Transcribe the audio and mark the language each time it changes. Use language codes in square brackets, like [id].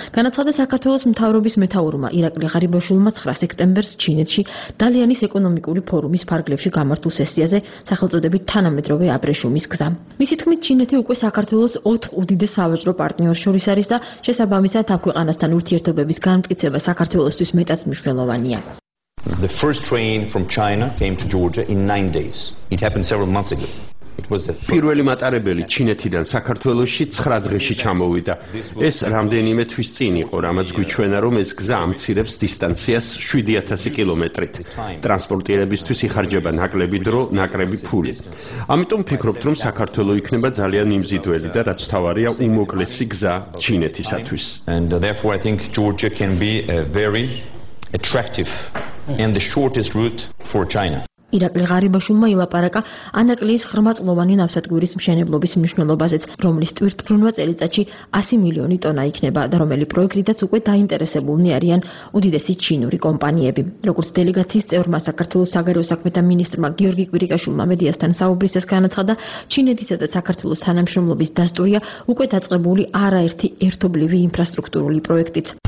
[ka] განაცხადა საქართველოს მთავრობის მეთაურმა ირაკლი ღარიბაშვილმა 9 სექტემბერს ჩინეთში დალიანის ეკონომიკური ფორუმის ფარგლებში გამართულ სესიაზე სახელწოდებით თანამედროვე აბრეშუმის გზა. მისი თქმით, ჩინეთი უკვე საქართველოს 4 უდიდეს სავაჭრო პარტნიორს შორის არის და შესაბამისად აქ ქვეყანასთან ურთიერთობების განმტკიცება საქართველოსთვის მეტად მნიშვნელოვანია. [en] The first train from China came to Georgia in 9 days. It happened several months ago. [ka] პირველი მატარებელი ჩინეთიდან საქართველოში 9 დღეში ჩამოვიდა. ეს რამდენიმე თვის წინ იყო, რამაც გვიჩვენა, რომ ეს გზა ამცირებს დისტანციას 7000 კილომეტრით. ტრანსპორტირებისთვის იხარჯება ნაკლები დრო, ნაკლები ფული. ამიტომ ვფიქრობთ, რომ საქართველო იქნება ძალიან იმზიდველი და რაც თავარია, უმოკლესი გზა ჩინეთისათვის. [en] And therefore I think Georgia can be very attractive and the shortest route for China. [ka] ირაკლი ღარიბაშვილმა ილაპარაკა ანაკლიის ღრმაწლოვანი ნავსადგურის მშენებლობის მნიშვნელობაზეც, რომლის ტვირთგრუნვა წელიწადში 100 მილიონი ტონა იქნება და რომელი პროექტითაც უკვე დაინტერესებულნი არიან უდიდესი ჩინური კომპანიები. როგორც დელეგაციის წევრმა საქართველოს საგარეო საქმეთა მინისტრმა გიორგი კვირიკაშვილმა მედიასთან საუბრისას განაცხადა, ჩინეთისა და საქართველოს თანამშრომლობის დასტურია უკვე დაწყებული არაერთი ერთობლივი ინფრასტრუქტურული პროექტიც.